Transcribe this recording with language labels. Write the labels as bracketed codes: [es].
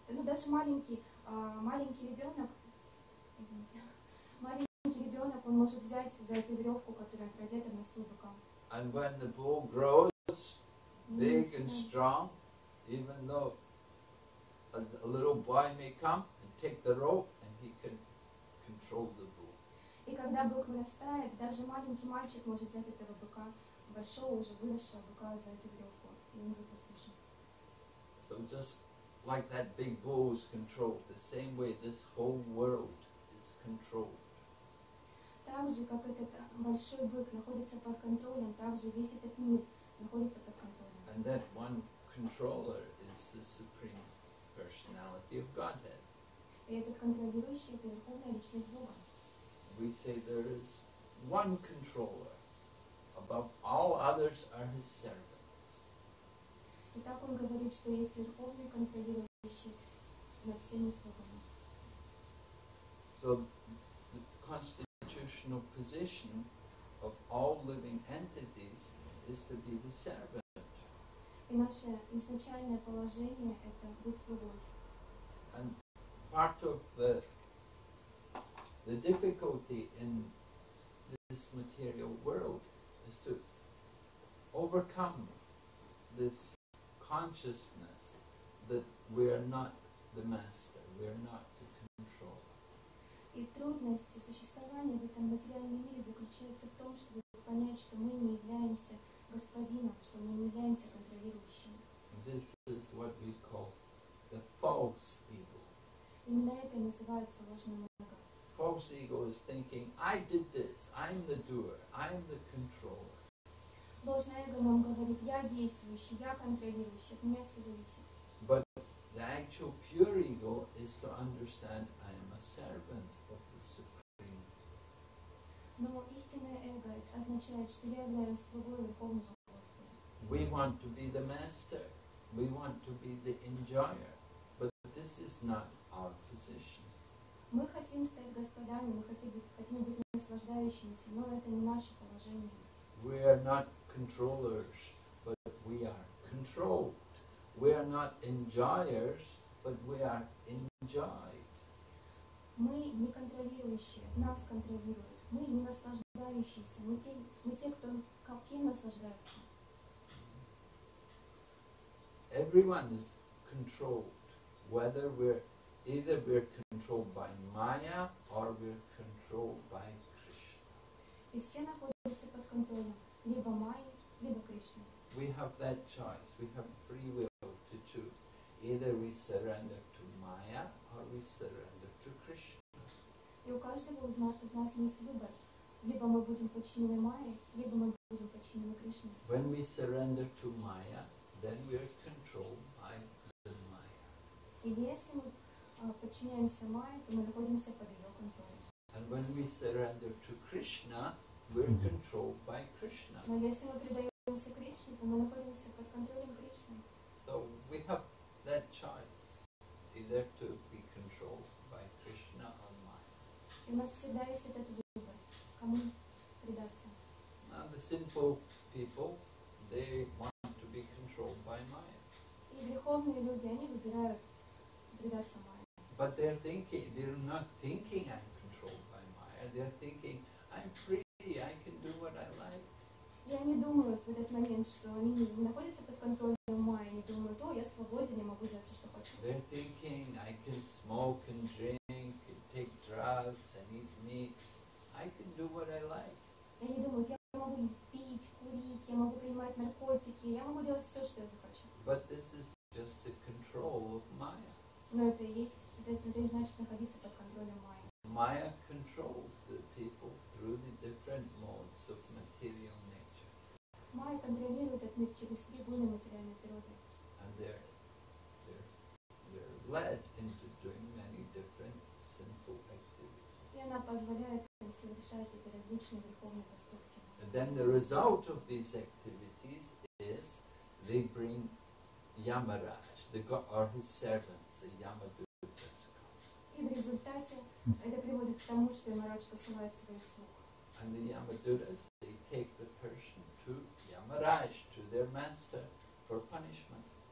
[ru] Ну даже маленький ребенок, он может взять за эту веревку, которая продета на суббоку. [en] And when the bull grows big and strong, even though a little boy may come and take the rope and he can control the bull. [ru] И когда бык вырастает, даже маленький мальчик может взять этого быка, большого уже выросшего быка за эту веревку, и он будет послушен. [en] So just like that big bull is controlled, the same way this whole world is controlled. [ru] Так же, как этот большой бык находится под контролем, так же весь этот мир находится под контролем. [en] And that one controller is the supreme personality of Godhead. [ru] И этот контролирующий — это верховная личность Бога. [en] We say there is one controller. Above all others are his servants. [ru] И так он говорит, что есть верховный контролирующий над всеми слугами. [en] So the constitutional position of all living entities is to be the servant. [ru] И наше изначальное положение — это быть слугой. [en] Part of the difficulty in this material world is to overcome this consciousness that we are not the master, we are not the controller. [ru] И то, трудности существования в этом материальном мире заключается в том, чтобы понять, что мы не являемся господином, что мы не являемся контролирующим. [en] This is what we call the false ego. [ru] Именно это называется ложным эго. [en] False ego is thinking, I did this, I'm the doer, I'm the controller. [ru] Ложное эго нам говорит, я действующий, я контролирующий, от меня все зависит. [en] But the actual pure ego is to understand I am a servant of the Supreme. [ru] Но истинное эго означает, что я являюсь слугой Верховного Господа. [en] We want to be the master. We want to be the enjoyer. But this is not our position. [ru] Мы хотим стать господами, мы хотим быть наслаждающимися, но это не наше положение. [en] We are not controllers, but we are controlled. We are not enjoyers, but we are enjoyed. [ru] Мы не контролирующие, нас контролируют. Мы не наслаждающиеся, мы те, кто каким наслаждается. [en] Everyone is controlled, whether we're controlled by Maya or we're controlled by Krishna. [ru] И все находятся под контролем, либо Майи, либо Кришны. [en] We have that choice. We have free will. To choose. Either we surrender to Maya or we surrender to Krishna. [ru] И у каждого из нас есть выбор. Либо мы будем подчинены Майе, либо мы будем подчинены Кришне. [en] When we surrender to Maya, then we are controlled by the Maya. [ru] И если мы подчиняемся Майе, то мы находимся под ее контролем. [en] And when we surrender to Krishna, we are controlled by Krishna. [ru] Но если мы предаемся Кришне, то мы находимся под контролем Кришны. [en] So we have that choice, either to be controlled by Krishna or Maya. Now the sinful people, they want to be controlled by Maya. But they're thinking, they're not thinking I'm controlled by Maya, they're thinking I'm free, I can do what I like. [ru] Я не думаю в этот момент, что они не находятся под контролем Майи, они думают, о, я свободен, я могу делать все, что хочу. [en] They're thinking, I can smoke and drink, and take drugs, and eat meat. I can do what I like. [ru] И они думают, я могу пить, курить, я могу принимать наркотики, я могу делать все, что я захочу. [en] But this is just the control of Maya. [ru] Но это и есть, это и значит находиться под контролем Майи. [en] Maya controls the people through the different modes of material nature. [ru] Майя контролирует этот мир через три гуны материальной природы. [en] And they're led into doing many different sinful activities. [ru] И она позволяет им совершать эти различные духовные поступки. [en] And then the result of these activities is they bring Yamaraj, the god or his servants, the Yamadutas. [ru] И в результате это приводит к тому, что Ямарадж посылает своих слуг. [en] And the Yamadutas, they take the person to Yamaraj, to their master, for punishment.